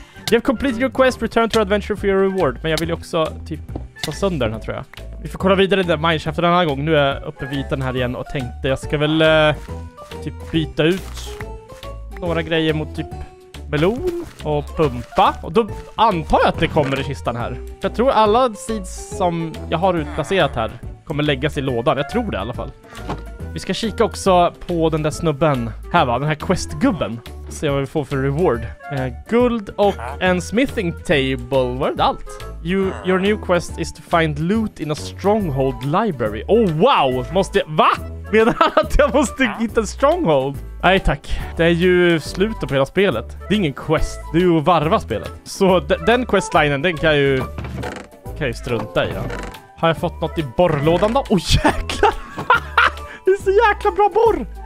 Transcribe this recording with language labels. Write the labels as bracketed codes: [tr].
[en] You have completed your quest. Return to adventure for your reward. [sv] Men jag vill ju också typ ta sönder den här, tror jag. Vi får kolla vidare i den här mineshaften den här gången. Nu är jag uppe vid den här igen och tänkte jag ska väl typ byta ut några grejer mot typ melon och pumpa. Och då antar jag att det kommer i kistan här. Jag tror alla seeds som jag har utplacerat här kommer läggas i lådan. Jag tror det i alla fall. Vi ska kika också på den där snubben. Här va, den här questgubben. Se vad vi får för reward. Guld och en smithing table. Var det allt? [en] Your new quest is to find loot in a stronghold library. [sv] Oh wow! Va? Menar han att jag måste hitta en stronghold? Nej tack. Det är ju slutet på hela spelet. Det är ingen quest. Det är ju att varva spelet. Så den questlinen, den kan jag ju... Kan jag ju strunta i då. Har jag fått något i borrlådan då? Oh jäklar! Det är så jäkla bra borr!